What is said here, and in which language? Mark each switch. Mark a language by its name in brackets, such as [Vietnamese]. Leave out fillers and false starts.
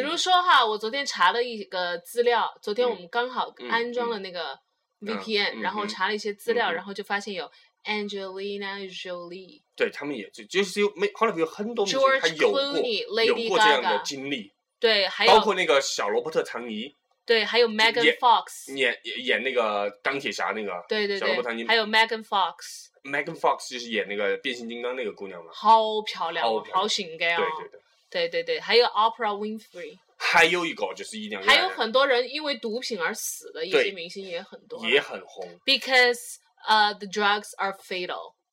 [Chinese] 比如说哈，我昨天查了一个资料，昨天我们刚好安装了那个 VPN，然后查了一些资料，然后就发现有。 [English] Angelina Jolie， [Chinese] 对他们也就是有没好莱坞有很多明星他有过 [English] Clooney, Lady Gaga, [Chinese] 有过这样的经历，对，还有包括那个小罗伯特唐尼，对，还有 Megan Fox 演那个钢铁侠那个，对对对，小罗伯特唐尼，还有 Megan Fox。 Megan Fox 就是演那个变形金刚那个姑娘嘛，好漂亮，好漂亮，好性感啊，对对对，对对对，还有 Oprah Winfrey。还有一个就是一定要，还有很多人因为毒品而死的一些明星也很多，也很红 [English] ，because。 The drugs are fatal.